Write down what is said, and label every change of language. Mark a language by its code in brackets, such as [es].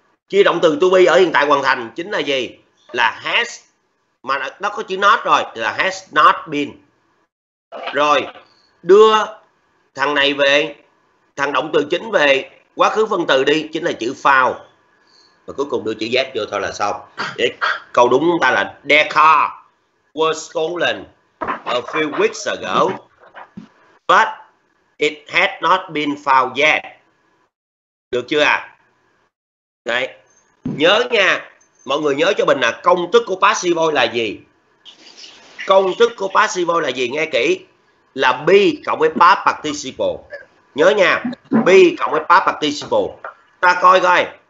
[vi] Chia động từ to be ở hiện tại hoàn thành chính là gì? Là has, mà nó có chữ not rồi, là [en] has not been. [vi] Rồi, đưa thằng này về, thằng động từ chính về quá khứ phân từ đi, chính là chữ found. Và cuối cùng đưa chữ z vô thôi là xong. Để câu đúng ta là [en] their car was stolen a few weeks ago, but it had not been found yet. [vi] Được chưa ạ? Đấy. Nhớ nha, mọi người nhớ cho mình là công thức của passive voice là gì? Công thức của passive voice là gì? Nghe kỹ. Là be cộng với past participle. Nhớ nha, be cộng với past participle. Ta coi coi.